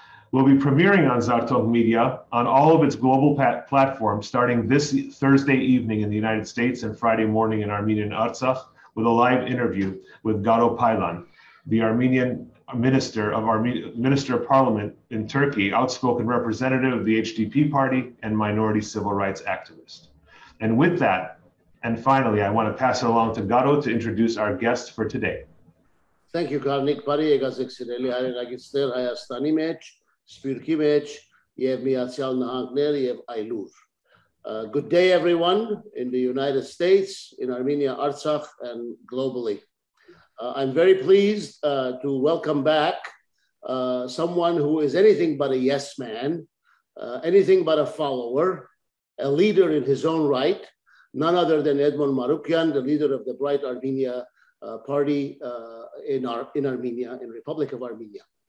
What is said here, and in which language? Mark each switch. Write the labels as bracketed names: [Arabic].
[English] We'll be premiering on Zartok Media on all of its global platforms starting this Thursday evening in the United States and Friday morning in Armenia and Artsakh with a live interview with Garo Paylan, the Armenian Minister of Parliament in Turkey, outspoken representative of the HDP party and minority civil rights activist. And with that, and finally, I want to pass it along to Garo to introduce our guest for today. Thank you, Karnig. [Armenian] Բարի եկած եկսիրելի հայրենակիցներ Հայաստանի մեջ, Սփյուռքի մեջ եւ միացյալ նահանգներ եւ այլուր. [English] Good day everyone in the United States, in Armenia, Artsakh and globally. I'm very pleased to welcome back someone who is anything but a yes man, anything but a follower, a leader in his own right, none other than Edmon Marukyan, the leader of the Bright Armenia party in Armenia, in Republic of Armenia.